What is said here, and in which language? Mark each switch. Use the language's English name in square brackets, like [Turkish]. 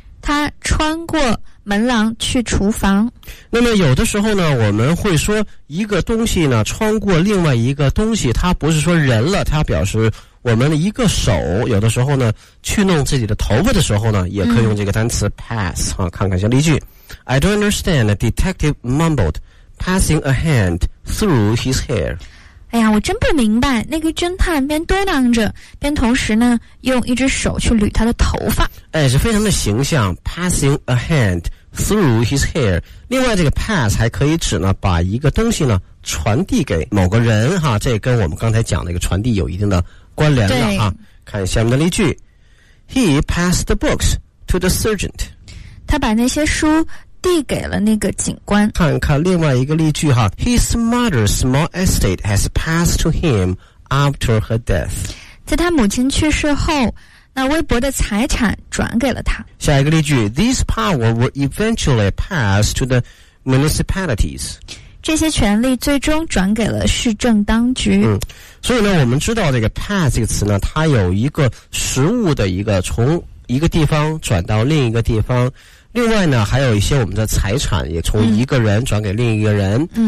[Chinese] 她穿过门廊去厨房。那么有的时候呢，我们会说一个东西呢穿过另外一个东西，它不是说人了，它表示我们的一个手，有的时候呢去弄自己的头发的时候呢，也可以用这个单词 pass、看看一下例句。 [English] I don't understand, the detective mumbled, passing a hand through his hair。 [Chinese] 哎呀，我真不明白，那个侦探边嘟囔着边同时呢用一只手去捋他的头发，哎，是非常的形象， [English] passing a hand through his hair。 [Chinese] 另外这个 pass 还可以指呢把一个东西呢传递给某个人哈，这跟我们刚才讲的一个传递有一定的关联了哈。看下面的例句， [English] He passed the books to the sergeant。 [Chinese] 他把那些书递给了那个警官。看看另外一个例句哈， [English] His mother's small estate has passed to him after her death。 [Chinese] 在他母亲去世后，那微薄的财产转给了他。下一个例句， [English] These power were eventually passed to the municipalities。 [Chinese] 这些权利最终转给了市政当局。所以呢，我们知道这个 pass 这个词呢，它有一个实物的一个从一个地方转到另一个地方。另外呢，还有一些我们的财产也从一个人转给另一个人。